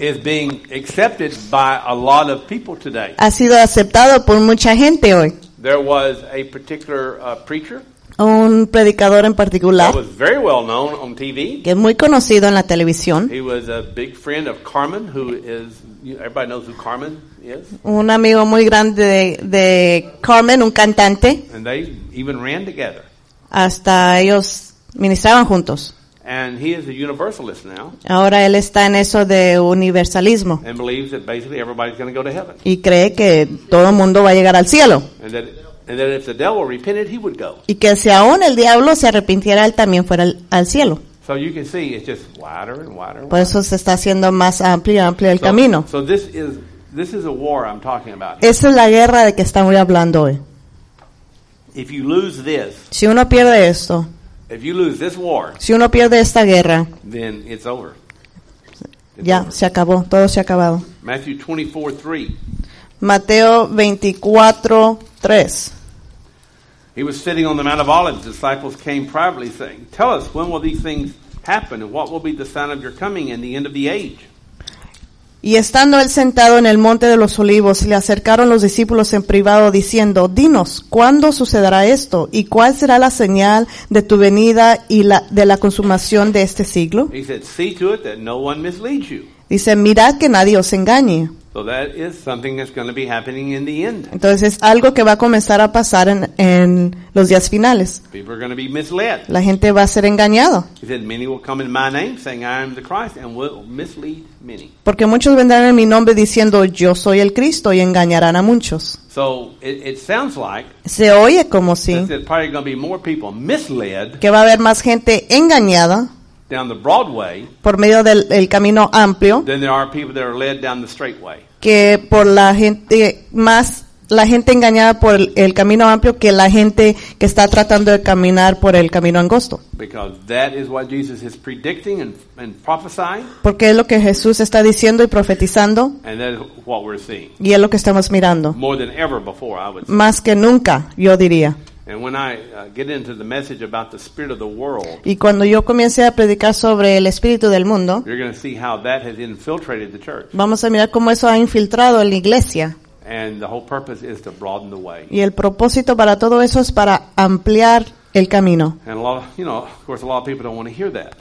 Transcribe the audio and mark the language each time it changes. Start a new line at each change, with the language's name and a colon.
English: is being accepted by a lot of people today.
Spanish: Ha sido aceptado por mucha gente hoy.
English: There was a particular preacher.
Spanish: Un predicador en particular.
English: That was very well known on TV.
Spanish: Que es muy conocido en la televisión.
English: He was a big friend of Carmen, who is, everybody knows who Carmen is.
Spanish: Un amigo muy grande de Carmen, un cantante.
English: And they even ran together.
Spanish: Hasta ellos ministraban juntos.
English: And he is a universalist now.
Spanish: Ahora él está en eso de universalismo.
English: And believes that basically everybody's going to go to heaven.
Spanish: Y cree que todo el mundo va a llegar al cielo.
English: And that if the devil repented, he would go.
Spanish: Y que si aún el diablo se arrepintiera, él también fuera al cielo.
English: So you can see it's just wider and wider.
Spanish: Por eso se está haciendo más amplio el camino.
English: So this is a war I'm talking about.
Spanish: Esa es la guerra de que estamos hablando hoy.
English: If you lose this.
Spanish: Si uno pierde esto.
English: If you lose this war.
Spanish: Si uno pierde esta guerra.
English: Then it's over.
Spanish: Ya, se acabó. Todo se ha acabado.
English: Matthew 24:3.
Spanish: Mateo 24:3.
English: He was sitting on the Mount of Olives. Disciples came privately saying, "Tell us, when will these things happen, and what will be the sign of your coming and the end of the age?"
Spanish: Y estando él sentado en el monte de los olivos, le acercaron los discípulos en privado diciendo, "Dinos, ¿cuándo sucederá esto y cuál será la señal de tu venida y la de la consumación de este siglo?"
English: He said, "See to it that no one misleads you."
Spanish: Dice, "Mirad que nadie os engañe."
English: So that is something that's going to be happening in the end.
Spanish: Entonces es algo que va a comenzar a pasar en los días finales.
English: People are going to be misled.
Spanish: La gente va a ser engañado.
English: He said, "Many will come in my name, saying I am the Christ, and will mislead many."
Spanish: Porque muchos vendrán en mi nombre diciendo yo soy el Cristo y engañarán a muchos.
English: So it sounds like.
Spanish: Se oye como si.
English: There's probably going to be more people misled.
Spanish: Que va a haber más gente engañada.
English: Down the Broadway,
Spanish: por medio del el camino amplio,
English: then there are people that are led down the straight way.
Spanish: Que por la gente más la gente engañada por el camino amplio que la gente que está tratando de caminar por el camino angosto.
English: Because that is what Jesus is predicting and prophesying.
Spanish: Porque es lo que Jesús está diciendo y profetizando.
English: And that is what we're seeing.
Spanish: Y es lo que estamos mirando.
English: More than ever before, I would say.
Spanish: Más que nunca, yo diría.
English: And when I get into the message about the spirit of the world,
Spanish: y cuando yo comience a predicar sobre el espíritu del mundo,
English: you're going to see how that has infiltrated the church.
Spanish: Vamos a mirar cómo eso ha infiltrado en la iglesia.
English: And the whole purpose is to broaden the way.
Spanish: Y el propósito para todo eso es para ampliar el camino.
English: And a lot, you know, of course, a lot of people don't want to hear that.